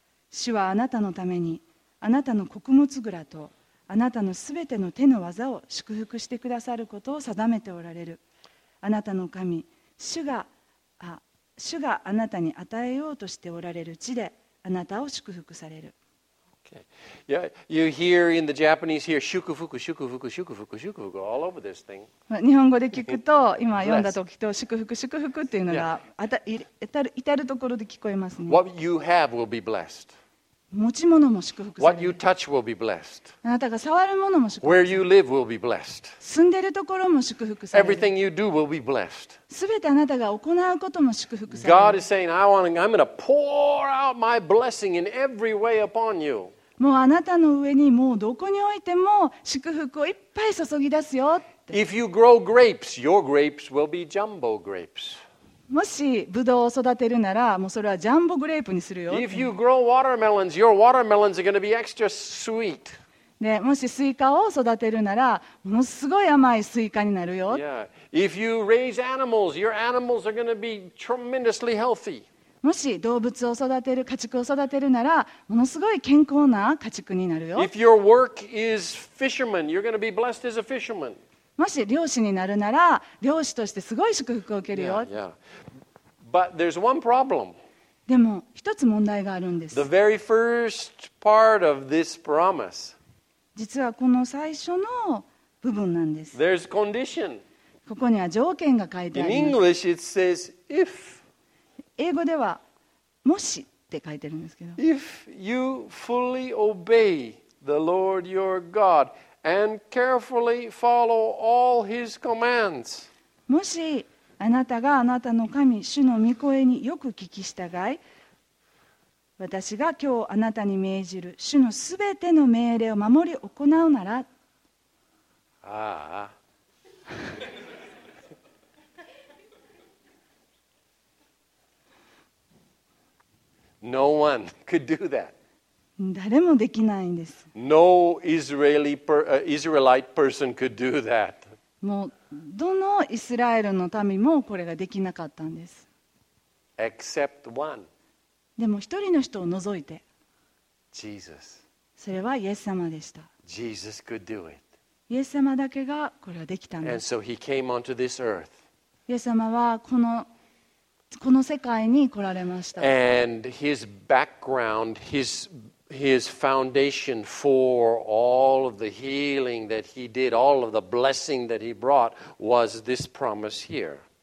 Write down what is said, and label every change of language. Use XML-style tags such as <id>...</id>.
<ja>主はあなたのためにあなたの穀物蔵とあなたのすべての手の技を祝福してくださることを定めておられる。あなたの神主があなたに与えようとしておられる地であなたを祝福される。</ja> <en>Okay. Yeah, you hear in the Japanese here, shukufuku, shukufuku, shukufuku, shukufuku, all over this thing.</en> <ja>日本語で聞くと、今読んだ時と祝福、祝福っていうのが、至るところで聞こえますね。</ja> <en>What you have will be blessed.</en> <ja>持ち物も祝福される。</ja> <en>What you touch will be blessed.</en> <ja>あなたが触るものも祝福される。</ja> <en>Where you live will be blessed.</en> <ja>住んでるところも祝福される。</ja> <en>Everything you do will be blessed.</en> <ja>すべてあなたが行うことも祝福される。</ja> <en>God is saying, I'm going to pour out my blessing in every way upon you.</en> <ja>もうあなたの上にもうどこにおいても祝福をいっぱい注ぎ出すよって。</ja> <en>If you grow grapes, your grapes will be jumbo grapes.</en> <ja>もしブドウを育てるなら、もうそれはジャンボグレープにするよ。</ja> <en>If you grow watermelons, your watermelons are going to be extra sweet.</en> <ja>ね、もしスイカを育てるなら、ものすごい甘いスイカになるよ。</ja> <en>Yeah. If you raise animals, your animals are going to be tremendously healthy.</en> <ja>もし動物を育てる、家畜を育てるなら、ものすごい健康な家畜になるよ。</ja> <en>If your work is fisherman, you're going to be blessed as a fisherman.</en> <ja>もし漁師になるなら、漁師としてすごい祝福を受けるよ。</ja> <en>Yeah, yeah. But there's one problem.</en> <ja>でも一つ問題があるんです。</ja> <en>The very first part of this promise.</en> <ja>実はこの最初の部分なんです。</ja> <en>There's condition.</en> <ja>ここには条件が書いてあります。</ja> <en>In English, it says if.</en> <ja>英語ではもしって書いてるんですけど、</ja> <en>If you fully obey the Lord your God and carefully follow all his commands、</en> <ja>もしあなたがあなたの神主の御声によく聞き従い、私が今日あなたに命じる主のすべての命令を守り行うなら、</ja> <en>ああNo one could do that.</en> <ja>誰もできないんです。</ja> <en>No Israeli Israelite person could do that.</en> <ja>もうどのイスラエルの民もこれができなかったんです。</ja> <en>Except one.</en> <ja>でも一人の人を除いて。</ja> <en>Jesus.</en> <ja>それはイエス様でした。</ja> <en>Jesus could do it.</en> <ja>イエス様だけがこれはできたんです。</ja> <en>And so he came onto this earth.</en> <ja>イエス様はこの世界に来られました。</ja> <en>And his background, his foundation for all of the healing that he did, all of the blessing that he brought, was this promise here.</en>